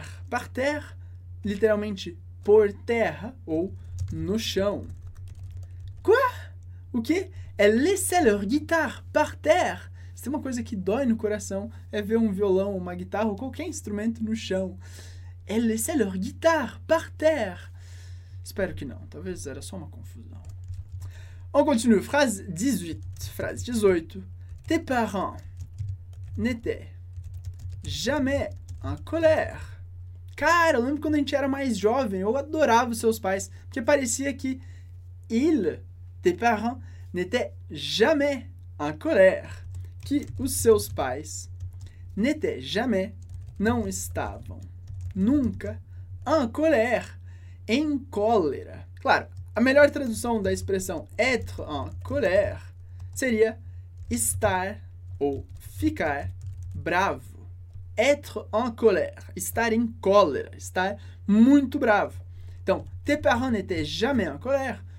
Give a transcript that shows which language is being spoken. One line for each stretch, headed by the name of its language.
French: Par terre,
Portuguese: literalmente por terra ou no chão.
French: Quoi?
Portuguese: O quê?
French: Elle laissait leur guitare par terre.
Portuguese: Se tem uma coisa que dói no coração é ver um violão, uma guitarra ou qualquer instrumento no chão.
French: Elle laissait leur guitare par terre.
Portuguese: Espero que não. Talvez era só uma confusão.
French: On continue. Phrase 18. Phrase 18. Tes parents n'étaient jamais en colère.
Portuguese: Cara, eu lembro quando a gente era mais jovem. Eu adorava os seus pais. Porque parecia que
French: ils, tes parents, n'étaient jamais en colère.
Portuguese: Que os seus pais
French: n'étaient jamais,
Portuguese: não estavam nunca
French: en colère.
Portuguese: Em cólera. Claro, a melhor tradução da expressão
French: être en colère
Portuguese: seria estar ou ficar bravo.
French: Être en colère.
Portuguese: Estar em cólera. Estar muito bravo.
French: Então, tes parents n'étaient jamais en colère.